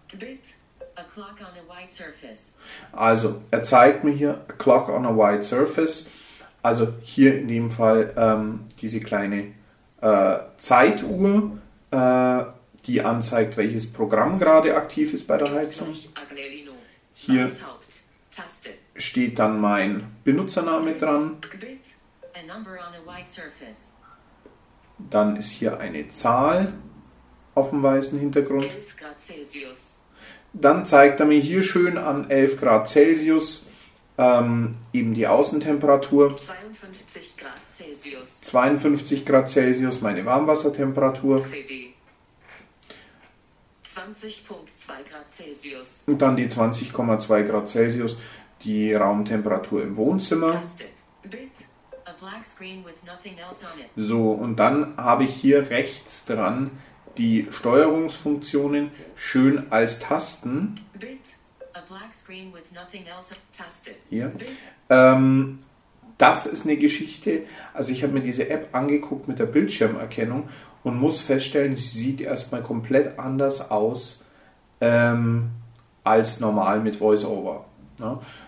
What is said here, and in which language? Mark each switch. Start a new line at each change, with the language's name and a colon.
English: Bit, a clock on a white surface.
German: Also, er zeigt mir hier
English: a clock on a white surface.
German: Also hier in dem Fall diese kleine Zeituhr, die anzeigt, welches Programm gerade aktiv ist bei der Heizung. Hier steht dann mein Benutzername dran.
English: Bit, a number on a white surface.
German: Dann ist hier eine Zahl auf dem weißen Hintergrund. 11 Grad Celsius. Dann zeigt er mir hier schön an 11 Grad Celsius eben die Außentemperatur. 52 Grad Celsius. 52 Grad Celsius, meine Warmwassertemperatur. CD. 20,2 Grad Celsius. Und dann die 20,2 Grad Celsius, die Raumtemperatur im Wohnzimmer. Taste. Bit.
English: Black screen with nothing else on it.
German: So, und dann habe ich hier rechts dran die Steuerungsfunktionen schön als Tasten.
English: Bit, a black screen with nothing else on it.
German: Taste. Hier. Das ist eine Geschichte. Also ich habe mir diese App angeguckt mit der Bildschirmerkennung und muss feststellen, sie sieht erstmal komplett anders aus als normal mit VoiceOver. Ja?